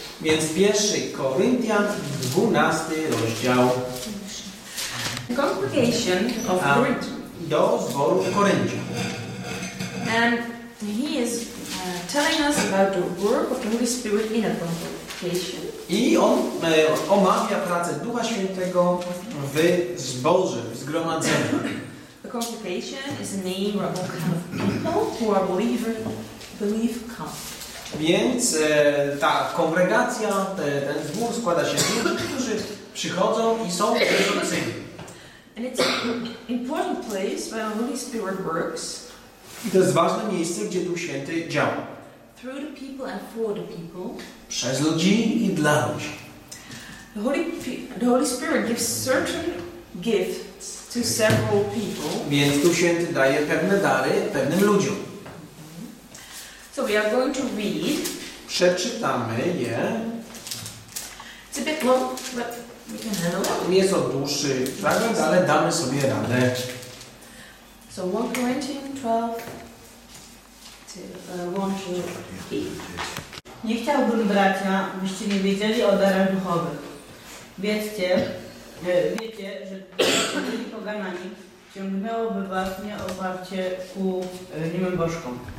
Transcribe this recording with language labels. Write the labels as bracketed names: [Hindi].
[Polish] Więc 1 Koryntian, 12 rozdział. [English] The congregation of Corinth. [Polish] Do zboru w Koryncie. [English] And he is telling us about the work of the Holy Spirit in a congregation. [Polish] I on omawia pracę Ducha Świętego w zborze, w zgromadzeniu. [English] The congregation is a name of all kind of people who are believe come. [Polish] Więc ta kongregacja, ten zbór składa się z ludzi, którzy przychodzą i są wierzącymi. [English] And it's an important place where the Holy Spirit works. [Polish] I to jest ważne miejsce, gdzie Duch Święty działa. [English] Through the people and for the people. [Polish] Przez ludzi i dla ludzi. [English] The Holy Spirit gives certain gifts to several people. [Polish] Więc Duch Święty daje pewne dary pewnym ludziom. [English] So we are going to read. [Polish] Przeczytamy je. [English] It's a bit long, but we can handle it. [Polish] Jest to dłuższy fragment, ale damy sobie radę. [English] So 1 Corinthians 12:1-8. [Polish] Nie chciałbym, bracia, byście nie wiedzieli o darach duchowych. Wiecie, że byli poganami, ciągnęłoby was nieoparcie ku niemym bożkom.